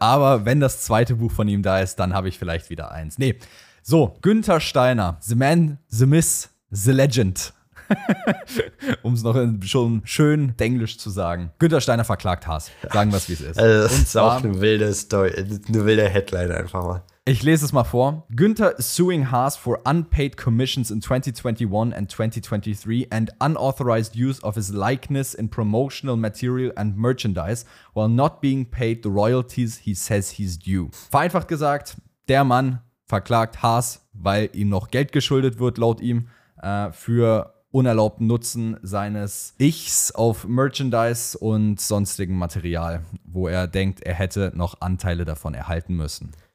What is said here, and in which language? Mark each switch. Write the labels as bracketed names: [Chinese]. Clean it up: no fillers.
[German] Aber wenn das zweite Buch von ihm da ist, dann habe ich vielleicht wieder eins. Nee. [English] So, Günther Steiner. The man, the myth, the legend. [German] Um es noch schon schön denglisch zu sagen. Günther Steiner verklagt Haas. Sagen wir es, wie es ist. Also, das ist auch eine wilde Story. Eine wilde Headline einfach mal. Ich lese es mal vor. [English] Günther is suing Haas for unpaid commissions in 2021 and 2023 and unauthorized use of his likeness in promotional material and merchandise while not being paid the royalties he says he's due. [German] Vereinfacht gesagt, der Mann verklagt Haas, weil ihm noch Geld geschuldet wird, laut ihm, für unerlaubten Nutzen seines Ichs auf Merchandise und sonstigem Material, wo er denkt, er hätte noch Anteile davon erhalten müssen.